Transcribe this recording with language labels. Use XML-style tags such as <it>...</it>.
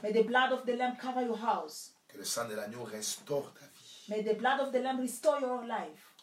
<en>May the blood of the lamb cover your house.</en> <fr>Que le sang de l'agneau restaure ta vie.</fr> <en>May the blood of the lamb restore your life.</en>